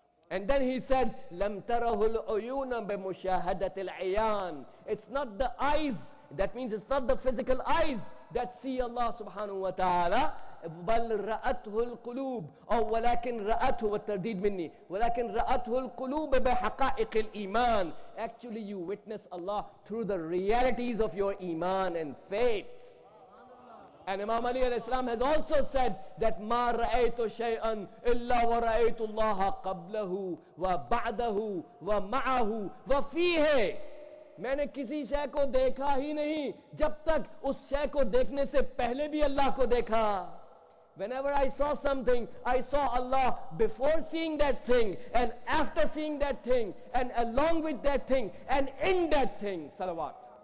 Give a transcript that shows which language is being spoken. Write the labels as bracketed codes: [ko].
[en] And then he said, [ar] Lam tarahu al-uyuna bi mushahadati al-ayan, [en] it's not the eyes, that means it's not the physical eyes that see Allah subhanahu wa ta'ala, [ar] بل رأته القلوب أو ولكن رأته والترديد مني ولكن رأته القلوب بحقائق الإيمان. [en] Actually you witness Allah through the realities of your iman and faith. And Imam Ali al-Islam has also said that [ar] ما رأيت شيئا إلا ورأيت الله قبله وبعده ومعه وفيه, [ur] میں نے کسی شے کو دیکھا ہی نہیں جب تک اس شے کو دیکھنے سے پہلے بھی اللہ کو دیکھا. [en] Whenever I saw something, I saw Allah before seeing that thing, and after seeing that thing, and along with that thing, and in that thing. Salawat.